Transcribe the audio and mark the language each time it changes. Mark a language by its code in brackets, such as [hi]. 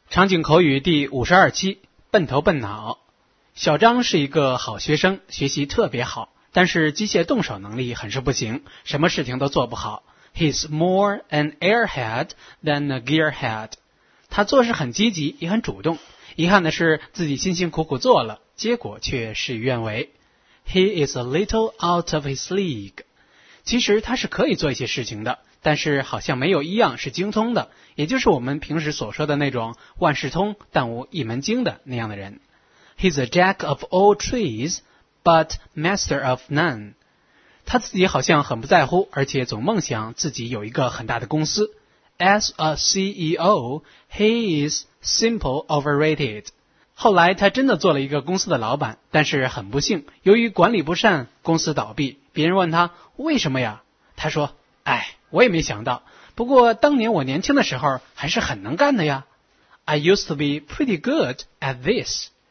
[zh] 场景口语第52期，笨头笨脑。小张是一个好学生，学习特别好，但是机械动手能力很是不行，什么事情都做不好。 [en] He's more an airhead than a gearhead. [zh] 他做事很积极，也很主动。遗憾的是，自己辛辛苦苦做了，结果却事与愿违。 [en] He is a little out of his league. [zh] 其实他是可以做一些事情的，但是好像没有一样是精通的，也就是我们平时所说的那种万事通但无一门精的那样的人。 [en] He's a jack of all trades, but master of none. [zh] 他自己好像很不在乎，而且总梦想自己有一个很大的公司。 [en] As a CEO, he is simple overrated. [zh] 后来他真的做了一个公司的老板，但是很不幸，由于管理不善，公司倒闭。别人问他为什么呀？他说，哎，我也没想到，不过当年我年轻的时候还是很能干的呀。 [en] I used to be pretty good at this.